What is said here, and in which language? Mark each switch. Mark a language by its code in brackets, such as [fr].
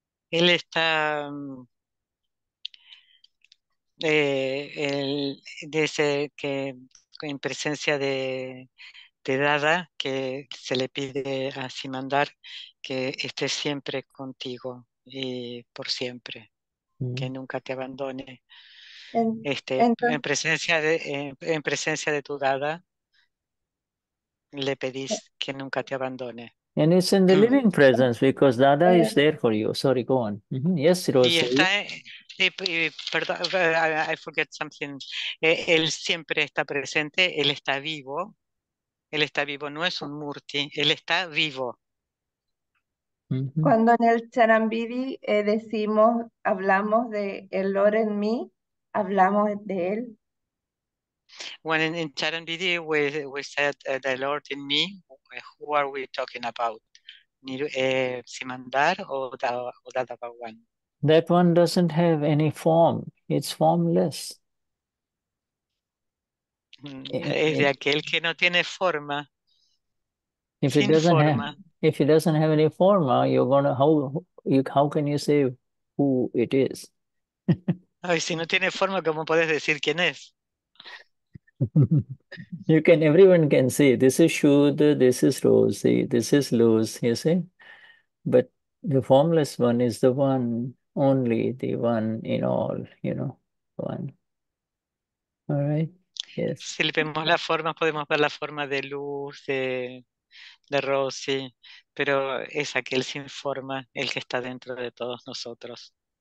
[es] Él está, él dice que en presencia de Dada, que se le pide a Simandar que esté siempre contigo y por siempre, que nunca te abandone. En presencia de tu Dada, le pedís que nunca te abandone. [en] And it's in the living presence because Dada is there for you. Sorry, go on. Mm-hmm. Yes, Rosa. [es] I forget something. Él siempre está presente. Él está vivo. Él está vivo. No es un murti. Él está vivo. Mm-hmm. Cuando en el Charambidi decimos, hablamos de el Lord en mí, hablamos de él. [en] When in Charambidi we said the Lord in me, who are we talking about? Simandar or Dada Bhagwan? That one doesn't have any form. It's formless. [es] Es de aquel que no tiene forma. [en] If it doesn't have, if it doesn't have any form, how can you say who it is? [es] Ay, si no tiene forma, ¿cómo puedes decir quién es? [en] You can, everyone can see, this is Shuddha, this is Rosy, this is Luz, you see? But the formless one is the one, only the one in all, you know, one. All right? Yes. [es] Si le vemos la forma, podemos ver la forma de Luz, de Rosy, pero es aquel sin forma, el que está dentro de todos nosotros.